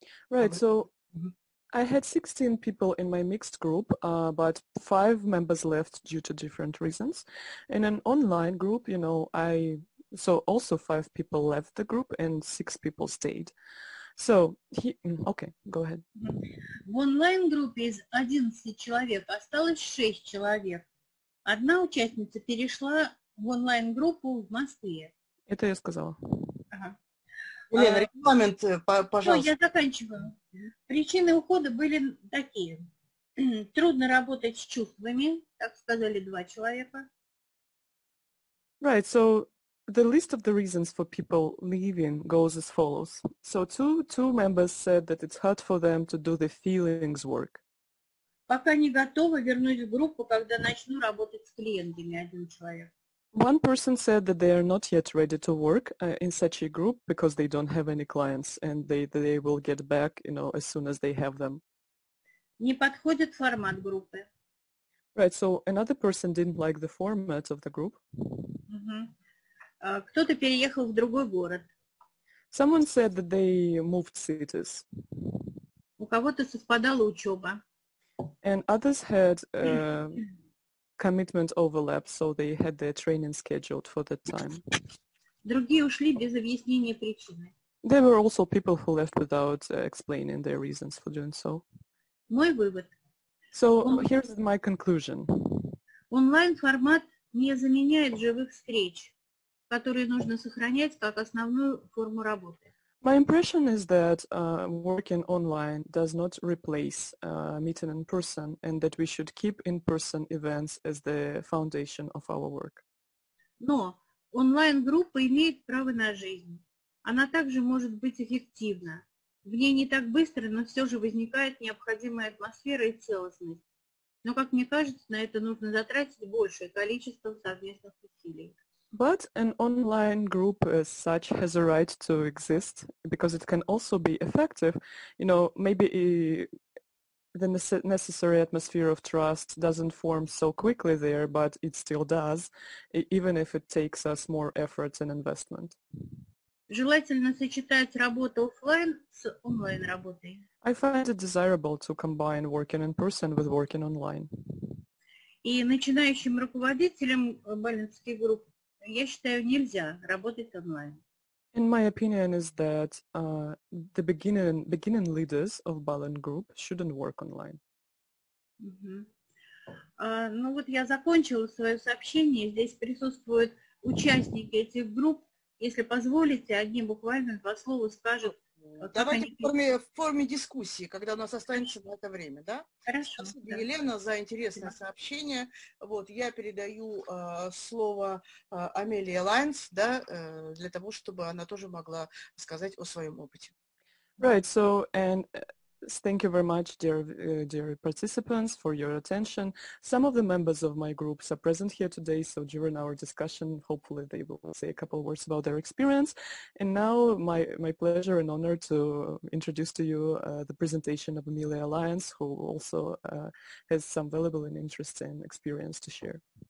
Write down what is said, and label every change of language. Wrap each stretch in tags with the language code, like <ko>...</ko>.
<en>Right, so I had 16 people in my mixed group, but 5 members left due to different reasons. In an online group, you know, so also 5 people left the group and 6 people stayed. So, okay, go ahead.</en> <ru>В онлайн-группе из 11 человек осталось 6 человек. Одна участница перешла в онлайн-группу в Москве. Это я сказала. Ага. Елена, регламент, пожалуйста. Ну, я заканчиваю. Причины ухода были такие. Трудно работать с чувствами, так сказали 2 человека.</ru> <en>Right, so... The list of the reasons for people leaving goes as follows. So two members said that it's hard for them to do the feelings work.</en> <ru>Пока не готова вернуть в группу, когда начну работать с клиентами, один человек.</ru> <en>One person said that they are not yet ready to work in such a group because they don't have any clients and they will get back, you know, as soon as they have them.</en> <ru>Не подходит формат группы.</ru> <en>Right, so another person didn't like the format of the group. Mm-hmm.</en> <ru>Кто-то переехал в другой город.</ru> <en>Someone said that they moved cities.</en> <ru>У кого-то совпадала учеба.</ru> <en>And others had commitment overlap, so they had their training scheduled for that time.</en> <ru>Другие ушли без объяснения причины.</ru> <en>There were also people who left without explaining their reasons for doing so.</en> <ru>Мой вывод.</ru> <en>So here's my conclusion.</en> <ru>Онлайн-формат не заменяет живых встреч, которые нужно сохранять как основную форму работы.</ru> <en>My impression is that working online does not replace meeting in person, and that we should keep in-person events as the foundation of our work.</en> <ru>Но онлайн-группа имеет право на жизнь. Она также может быть эффективна. В ней не так быстро, но все же возникает необходимая атмосфера и целостность. Но, как мне кажется, на это нужно затратить большее количество совместных усилий.</ru> <en>But an online group as such has a right to exist because it can also be effective. You know, maybe the necessary atmosphere of trust doesn't form so quickly there, but it still does, even if it takes us more effort and investment.</en> <ru>Желательно сочетать работу офлайн с онлайн-работой.</ru> <en>I find it desirable to combine working in person with working online.</en> <ru>И начинающим руководителям балинтских групп я считаю, нельзя работать онлайн.</ru> <en>In my opinion is that the beginning leaders of Balint group shouldn't work online.</en> <ru>Ну вот я закончила свое сообщение. Здесь присутствуют участники этих групп. Если позволите, одни буквально два слова скажут. Давайте они... в форме дискуссии, когда у нас останется на это время, да? Хорошо. Спасибо, да. Елена, за интересное сообщение. Вот, я передаю слово Амелии Лайнс, да, для того, чтобы она тоже могла сказать о своем опыте.</ru> <en>Right, so, and... Thank you very much, dear participants, for your attention. Some of the members of my groups are present here today, so during our discussion, hopefully they will say a couple of words about their experience. And now my pleasure and honor to introduce to you the presentation of Amelia Lyons, who also has some valuable and interesting experience to share.</en>